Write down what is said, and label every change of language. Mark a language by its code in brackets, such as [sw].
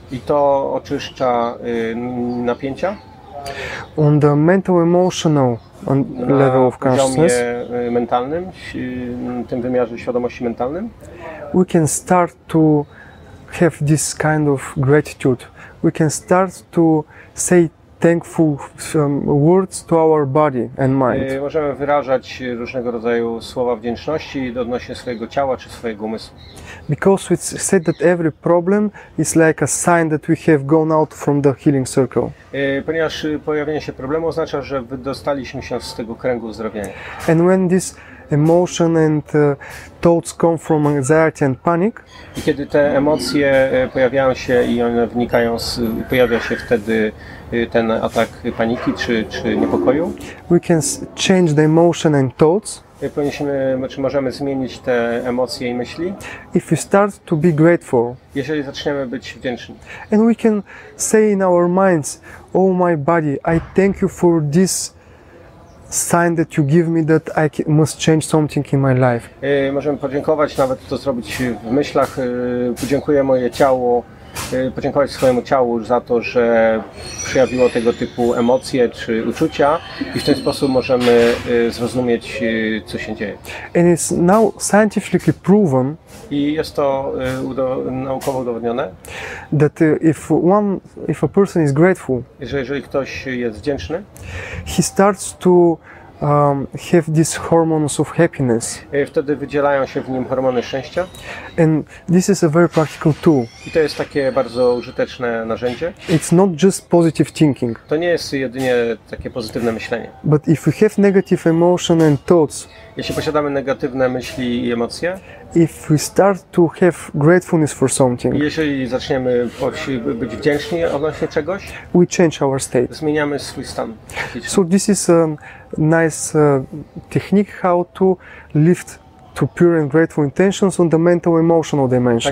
[pl] I to oczyszcza napięcia. [en] On the mental emotional level of consciousness. [pl] Na poziomie mentalnym, tym wymiarze świadomości mentalnym. [en] We can start to have this kind of gratitude. We can start to say thankful words to our body and mind. [pl] Możemy wyrażać różnego rodzaju słowa wdzięczności odnośnie swojego ciała czy swojego umysłu. [en] Because it's said that every problem is like a sign that we have gone out from the healing circle. [pl] Ponieważ pojawienie się problemu oznacza, że wydostaliśmy się z tego kręgu uzdrowienia. [en] And when this emotion and thoughts come from anxiety and panic. [pl] I kiedy te emocje pojawiają się i one wnikają, pojawia się wtedy ten atak paniki czy niepokoju. [en] We can change the emotion and thoughts. [pl] Czy możemy zmienić te emocje i myśli? [en] If we start to be grateful. [pl] Jeżeli zaczniemy być wdzięczni. [en] And we can say in our minds, oh my body, I thank you for this sign that you give me that I must change something in my life. [pl] Możemy podziękować, nawet to zrobić w myślach. Podziękuję moje ciało, podziękować swojemu ciału za to, że przejawiło tego typu emocje czy uczucia, i w ten sposób możemy zrozumieć, co się dzieje. [en] And it's now scientifically proven. [pl] I jest to naukowo udowodnione, [en] that if a person is grateful, [pl] jeżeli ktoś jest wdzięczny, [en] he starts to have these hormones of happiness. [pl] Wtedy wydzielają się w nim hormony szczęścia. [en] And this is a very practical tool. [pl] I to jest takie bardzo użyteczne narzędzie. [en] It's not just positive thinking. [pl] To nie jest jedynie takie pozytywne myślenie. [en] But if we have negative emotion and thoughts, [pl] jeśli posiadamy negatywne myśli i emocje, [en] if we start to have gratefulness for something, [pl] jeżeli zaczniemy być wdzięczni odnośnie czegoś, [en] we change our state. [pl] Zmieniamy swój stan. [en] So this is a nice technique how to lift to pure and grateful intentions on the mental emotional dimension.